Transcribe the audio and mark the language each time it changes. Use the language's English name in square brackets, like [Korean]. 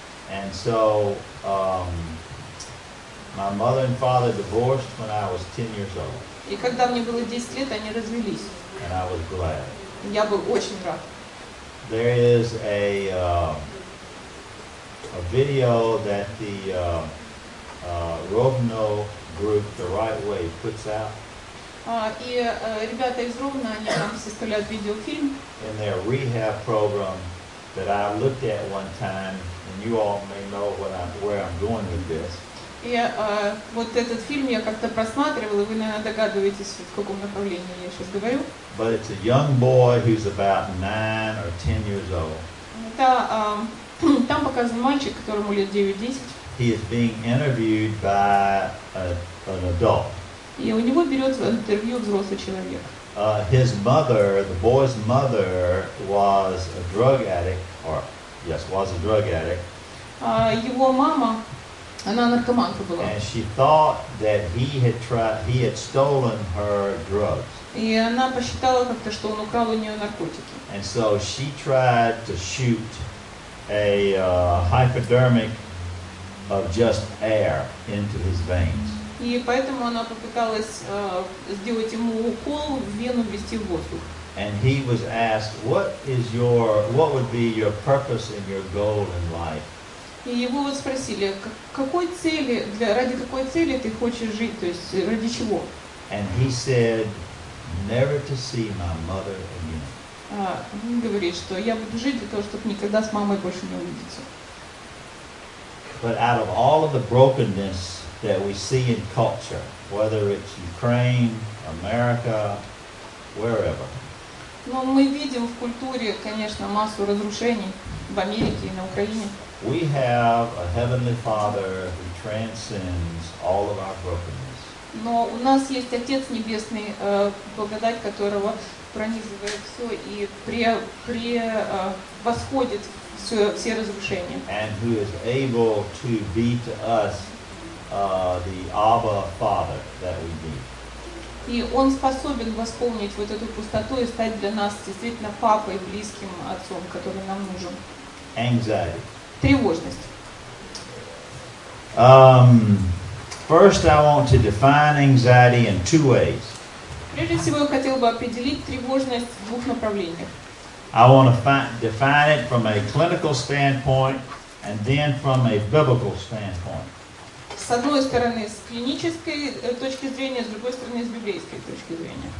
[English] And so, my mother and father divorced when I was 10 years old. [Russian] И когда мне было 10 лет, они развелись. [English] And I was glad. [Russian] Я был очень рад. [English] There is a video that the Rovno group, The Right Way, puts out. [Russian] Ребята из Ровно, они там составляют видеофильм. [English] In their rehab program that I looked at one time, and you all may know where I'm going with this. [Russian] И вот этот фильм я как-то просматривал, и вы, наверное, догадываетесь, в каком направлении я сейчас говорю. [English] But it's a young boy who's about 9 or 10 years old. [Russian] Там показан мальчик, которому лет 9-10. [English] He is being interviewed by an adult. [Russian] И у него берется интервью взрослый человек. [English] His mother, the boy's mother, was a drug addict, was a drug addict. [Russian] Его мама, она наркоманка была. [English] And she thought that he had stolen her drugs. [Russian] И она посчитала как-то, что он украл у нее наркотики. [English] And so she tried to shoot a hypodermic of just air into his veins. [Russian] И поэтому она попыталась сделать ему укол в вену, ввести в воздух. [English] And he was asked, what would be your purpose and your goal in life? [Russian] И его вот спросили, какой цели, ради какой цели ты хочешь жить, то есть ради чего? [English] And he said, never to see my mother again. [Russian] Он говорит, что я буду жить для того, чтобы никогда с мамой больше не увидеться. [English] But out of all of the brokenness that we see in culture, whether it's Ukraine, America, wherever. [Russian] Но мы видим в культуре, конечно, массу разрушений в Америке и на Украине. [English] We have a heavenly Father who transcends all of our brokenness. [Russian] Но у нас есть Отец Небесный, благодать которого пронизывает все и превосходит все разрушения. [English] And who is able to be to us the Abba Father that we need. [Russian] И он способен восполнить вот эту пустоту и стать для нас действительно папой, близким отцом, который нам нужен. [English] Anxiety. [Russian] Тревожность. [English] First I want to define anxiety in two ways. [Russian] Прежде всего я хотел бы определить тревожность в двух направлениях. [English] I want to define it from a clinical standpoint and then from a biblical standpoint. [Russian] С одной стороны, с клинической точки зрения, с другой стороны, с библейской точки зрения.